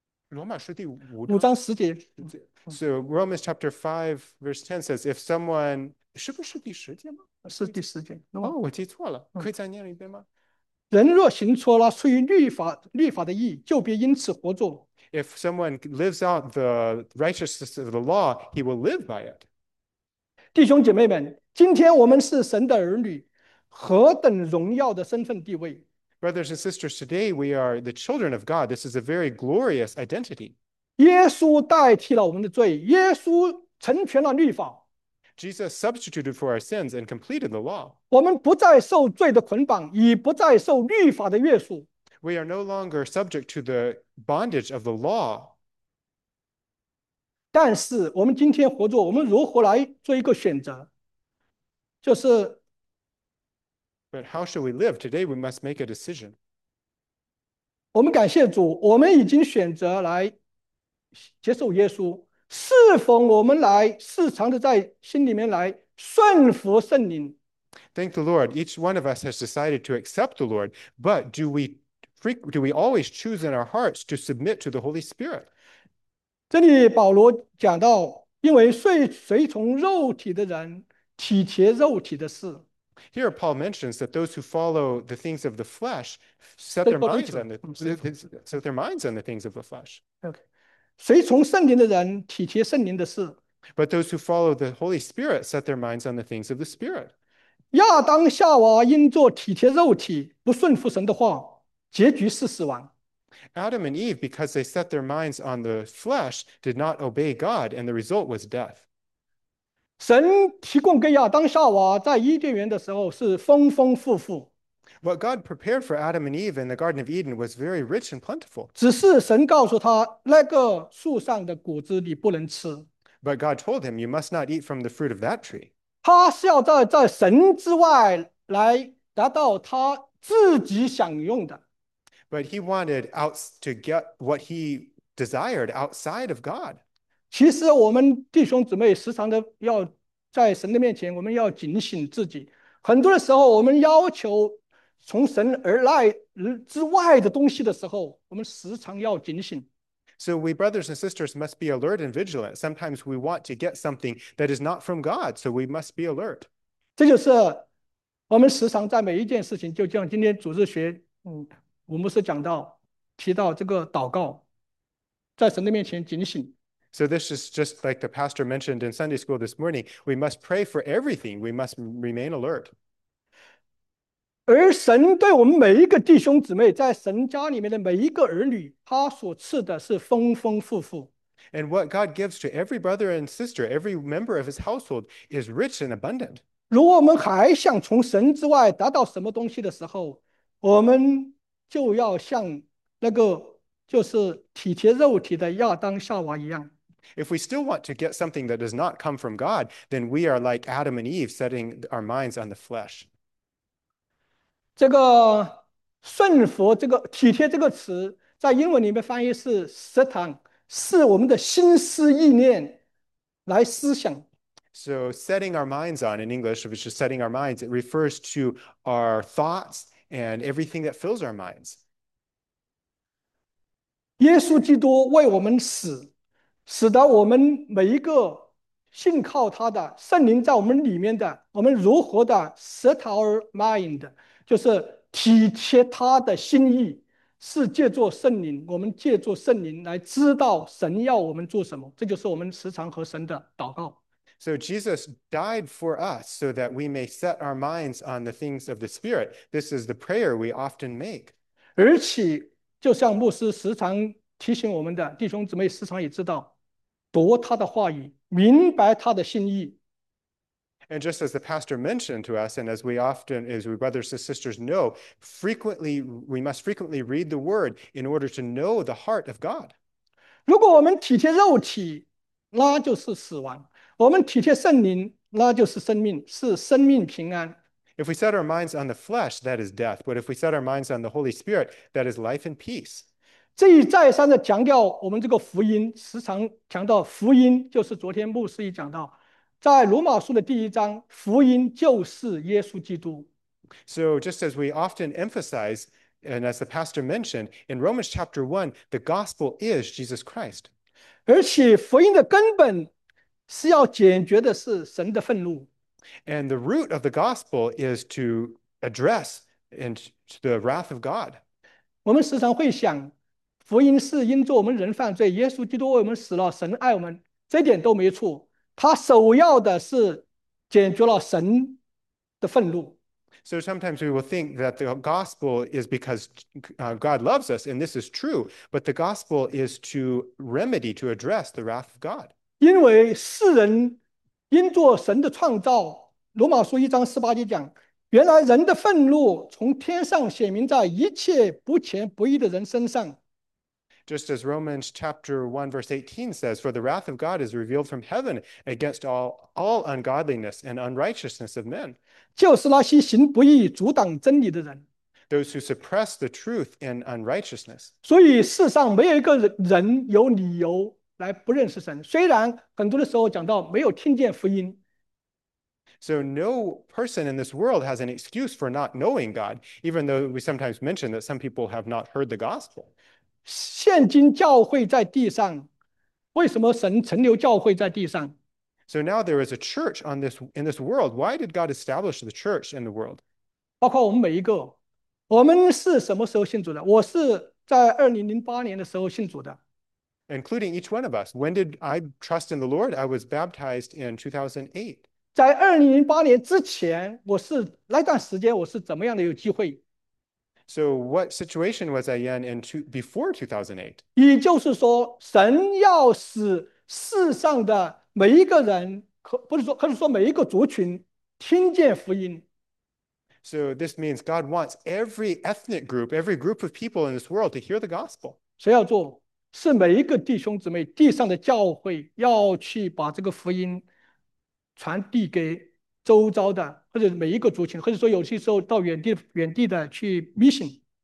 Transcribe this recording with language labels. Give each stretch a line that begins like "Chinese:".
Chinese: 罗马书第五五章。章十节。
English: So Romans chapter 5, verse 10 says, if someone.
Chinese: 是不是第十节吗？是第十节，对吗？哦，我记错了，可以再念一遍吗？人若行出了出于律法的义，就别因此活着。
English: If someone lives out the righteousness of the law, he will live by it.
Chinese: 弟兄姐妹们，今天我们是神的儿女。何等荣耀的身份地位！
English: Brothers and sisters, today we are the children of God. This is a very glorious identity.
Chinese: 耶稣代替了我们的罪，耶稣成全了律法，
English: Jesus substituted for our sins and completed the law.
Chinese: 我们不再受罪的捆绑，已不再受律法的约束。
English: We are no longer subject to the bondage of the law.
Chinese: 但是，我们今天活着，我们如何来做一个选择？就是。
English: But how shall we live? Today we must make a decision.
Chinese: 我们感谢主，我们已经选择来接受耶稣。是否我们来时常的在心里面来顺服圣灵？
English: Thank the Lord. Each one of us has decided to accept the Lord, but do we always choose in our hearts to submit to the Holy Spirit?
Chinese: 这里保罗讲到，因为随从肉体的人，体贴肉体的事。
English: Here, Paul mentions that those who follow the things of the flesh set
Chinese: 这
English: their
Chinese: 不容易
English: minds
Chinese: 讲。
English: on the things of the flesh.
Chinese: OK，随从圣灵的人体贴圣灵的事。
English: But those who follow the Holy Spirit set their minds on the things of the Spirit.
Chinese: 亚当夏娃因做体贴肉体，不顺服神的话，结局是死亡。
English: Adam and Eve, because they set their minds on the flesh, did not obey God, and the result was death.
Chinese: 神提供给亚当夏娃在伊甸园的时候是丰丰富富。
English: What God prepared for Adam and Eve in the Garden of Eden was very rich and plentiful.
Chinese: 只是神告诉他，那个树上的果子你不能吃。
English: But God told him, you must not eat from the fruit of that tree.
Chinese: 他是要在神之外来达到他自己享用的。
English: But he wanted out to get what he desired outside of God.
Chinese: 其实我们弟兄姊妹时常的要在神的面前，我们要警醒自己。很多的时候，我们要求从神而来之外的东西的时候，我们时常要警醒。
English: So we brothers and sisters must be alert and vigilant. Sometimes we want to get something that is not from God, so we must be alert.
Chinese: 这就是我们时常在每一件事情，就像今天主日学，我们是讲到提到这个祷告，在神的面前警醒。
English: So this is just like the pastor mentioned in Sunday school this morning, we must pray for everything. We must remain alert.
Chinese: 而神对我们每一个弟兄姊妹，在神家里面的每一个儿女，他所赐的是丰丰富富。
English: And what God gives to every brother and sister, every member of his household is rich and abundant.
Chinese: 如果我们还想从神之外得到什么东西的时候，我们就要像那个就是体贴肉体的亚当夏娃一样。
English: If we still want to get something that does not come from God, then we are like Adam and Eve setting our minds on the flesh.
Chinese: 这个顺服，这个体贴这个词，在英文里面翻译是 satan，是我们的心思意念来思想。
English: So, setting our minds on in English, which is setting our minds, it refers to our thoughts and everything that fills our minds.
Chinese: 耶稣基督为我们死，使得我们每一个信靠他的圣灵在我们里面的，我们如何的
English: set our mind。
Chinese: 就是体贴他的心意，是借助圣灵，我们借助圣灵来知道神要我们做什么，这就是我们时常和神的祷告。
English: So, Jesus died for us so that we may set our minds on the things of the Spirit. This is the prayer we often make.
Chinese: 而且，就像牧师时常提醒我们的弟兄姊妹，时常也知道，读他的话语，明白他的心意。
English: And just as the pastor mentioned to us, and as we often, as we brothers and sisters know, frequently, we must frequently read the word in order to know the heart of God.
Chinese: 如果我们体贴肉体，那就是死亡；我们体贴圣灵，那就是生命，是生命平安。
English: If we set our minds on the flesh, that is death. But if we set our minds on the Holy Spirit, that is life and peace.
Chinese: 这一再三的强调我们这个福音，时常强调福音，就是昨天牧师也讲到，在罗马书的第一章，福音就是耶稣基督。
English: So, just as we often emphasize, and as the pastor mentioned, in Romans chapter 1, the gospel is Jesus Christ.
Chinese: 而且福音的根本是要解决的是神的愤怒。
English: And the root of the gospel is to address into the wrath of God.
Chinese: 我们时常会想，福音是因着我们人犯罪，耶稣基督为我们死了，神爱我们，这点都没错。他首要的是解决了神的愤怒。
English: So sometimes we will think that the gospel is because God loves us, and this is true, but the gospel is to remedy, to address the wrath of God.
Chinese: 因为世人因着神的创造，罗马书一章十八节讲，原来人的愤怒从天上显明在一切不虔不义的人身上。
English: Just as Romans chapter 1, verse 18 says, For the wrath of God is revealed from heaven against all ungodliness and unrighteousness of men.
Chinese: 就是那些行不义、阻挡真理的人。
English: Those who suppress the truth in unrighteousness.
Chinese: 所以世上没有一个人有理由。来不认识神，虽然很多的时候讲到没有听见福音，
English: So, no person in this world has an excuse for not knowing God, even though we sometimes mention that some people have not heard the gospel.
Chinese: 现今教会在地上，为什么神存留教会在地上？
English: So now there is a church on this in this world. Why did God establish the church in the world?
Chinese: 包括我们每一个，我们是什么时候信主的？我是在2008年的时候信主的。
English: Including each one of us. When did I trust in the Lord? I was baptized in 2008.
Chinese: 在2008年之前，我是那段时间我是怎么样的有机会？
English: So what situation was I in before 2008?
Chinese: 也就是说，神要使世上的每一个人，可是说每一个族群听见福音。
English: So, this means God wants every ethnic group, every group of people in this world to hear the gospel.
Chinese: 谁要做？是每一个弟兄姊妹，地上的教会要去把这个福音。传递给周遭的，或者每一个族群，或者说有些时候到远地的去 mission。